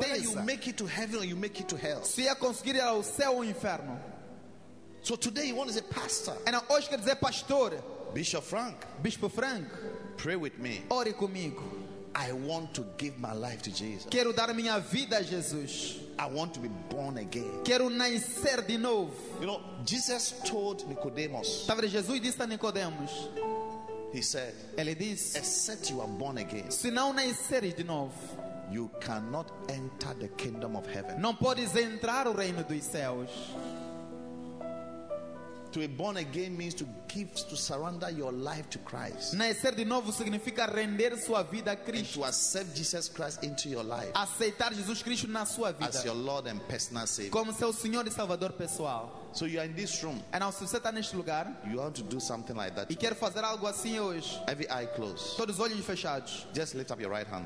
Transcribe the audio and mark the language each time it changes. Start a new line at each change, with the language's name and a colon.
English: Whether you make it to heaven or you make it to hell.
Portuguese: Se ia conseguir ir ao céu ou ao inferno.
English: So today you want to say pastor.
Portuguese: E não, hoje quer dizer pastor.
English: Bishop Frank.
Portuguese: Bispo Frank.
English: Pray with me.
Portuguese: Ore comigo.
English: I want to give my life to Jesus.
Portuguese: Quero dar minha vida a Jesus.
English: I want to be born again.
Portuguese: Quero nascer de novo.
English: You know, Jesus told Nicodemus.
Portuguese: Talvez Jesus disse a Nicodemus.
English: He said,
Portuguese: ele disse,
English: except you are born again,
Portuguese: se não nasceres de novo,
English: you cannot enter the kingdom of heaven.
Portuguese: Não podes entrar o reino dos céus.
English: To be born again means to give, to surrender your life to Christ.
Portuguese: Nascer de novo significa render sua vida a Cristo.
English: And to accept Jesus Christ into your life.
Portuguese: Aceitar Jesus Cristo na sua vida.
English: As your Lord and personal Savior.
Portuguese: Como seu Senhor e Salvador pessoal.
English: So you are in this room.
Portuguese: E se você está neste lugar.
English: You want to do something like that.
Portuguese: E quer fazer algo assim hoje.
English: Every eye closed.
Portuguese: Todos os olhos fechados.
English: Just lift up your right hand.